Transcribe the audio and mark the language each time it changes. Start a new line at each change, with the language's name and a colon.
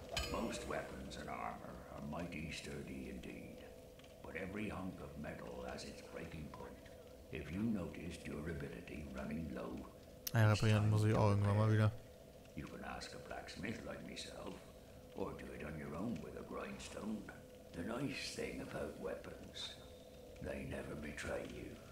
English: Most weapons and armor are mighty sturdy indeed. But every hunk of metal has its breaking point. If you notice durability running low.
German: Ja, reparieren muss ich auch irgendwann mal wieder.
English: You can ask a blacksmith like myself, or do it on your own with a grindstone. The nice thing about weapons, they never betray you.